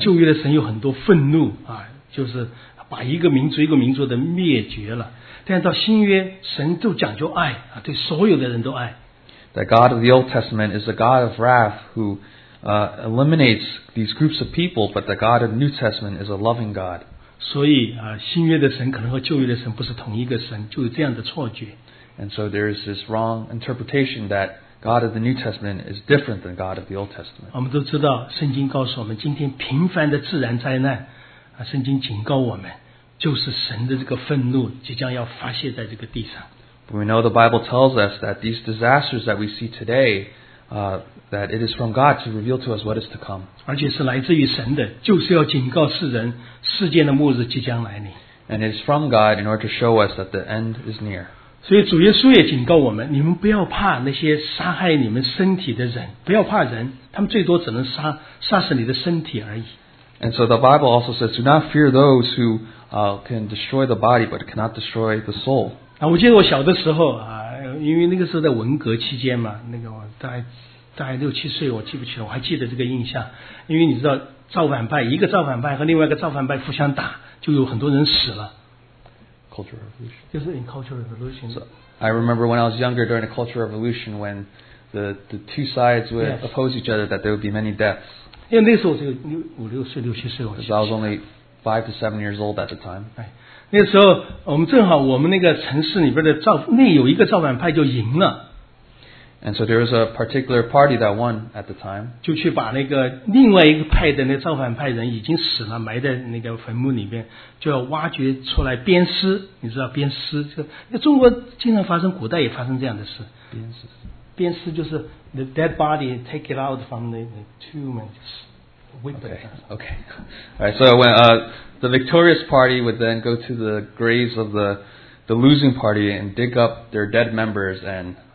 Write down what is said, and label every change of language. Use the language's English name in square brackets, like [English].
[Chinese] 旧约的神有很多愤怒啊，就是把一个民族一个民族的灭绝了。但到新约，神都讲究爱啊，对所有的人都爱。 [English] The God of the Old Testament is a God of wrath who eliminates these groups of people, but the God of the New Testament is a loving God. [Chinese] 所以啊，新约的神可能和旧约的神不是同一个神，就有这样的错觉。 [English] And so there is this wrong interpretation that God of the New Testament is different than God of the Old Testament. [Chinese] 我们都知道，圣经告诉我们，今天频繁的自然灾难，啊，圣经警告我们，就是神的这个愤怒即将要发泄在这个地上。 [English] But we know the Bible tells us that these disasters that we see today, that it is from God to reveal to us what is to come. [Chinese] 而且是来自于神的，就是要警告世人，世界的末日即将来临。 [English] And it is from God in order to show us that the end is near. [Chinese] 所以主耶稣也警告我们，你们不要怕那些杀害你们身体的人，不要怕人，他们最多只能杀死你的身体而已。 [English] And so the Bible also says, do not fear those who can destroy the body, but cannot destroy the soul. [Chinese] 啊，我记得我小的时候啊，因为那个时候在文革期间嘛，那个我大概六七岁，我记不起了，我还记得这个印象，因为你知道造反派，一个造反派和另外一个造反派互相打，就有很多人死了。 [English] Cultural revolution. So, I remember when I was younger during the Cultural Revolution when the two sides would oppose each other that there would be many deaths. Because I was only 5 to 7 years old at the time. [Chinese] 那时候我们正好我们那个城市里边的内有一个造反派就赢了。 [English] And so there was a particular party that won at the time. [Chinese] 就去把那个另外一个派的那造反派人已经死了埋在那个坟墓里面。就要挖掘出来鞭尸，你知道鞭尸？就中国经常发生，古代也发生这样的事。鞭尸就是 [English] the dead body take it out from the tomb and just whip it. Okay. All right. So when the victorious party would then go to the graves of the losing party and dig up their dead members and